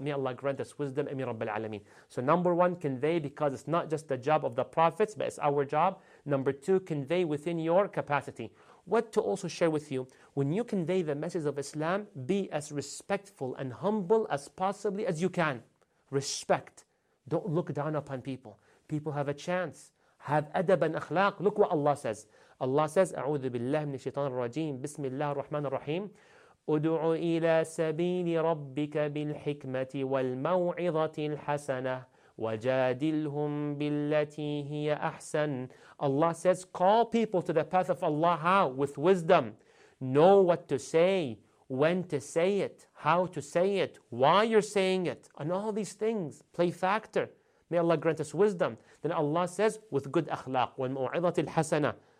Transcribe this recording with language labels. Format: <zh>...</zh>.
<en>May Allah grant us wisdom. Amin Rabbil Alameen. So number one, convey, because it's not just the job of the prophets, but it's our job. Number two, convey within your capacity. What to also share with you, when you convey the message of Islam, be as respectful and humble as possibly as you can. Respect. Don't look down upon people. People have a chance. Have adab and akhlaq. Look what Allah says.</en> <ar>Allah says, أعوذ بالله من الشيطان الرجيم بسم الله الرحمن الرحيم أدعو إلى سبيل ربك بالحكمة والموعظة الحسنة وَجَادِلْهُمْ بِالَّتِي هِيَ أَحْسَنُ.</ar> <en>Allah says, call people to the path of Allah. How? With wisdom. Know what to say, when to say it, how to say it, why you're saying it, and all these things play factor. May Allah grant us wisdom. Then Allah says, with good akhlaq,</en> <ar>وَالْمُعِظَةِ الْحَسَنَةِ.</ar>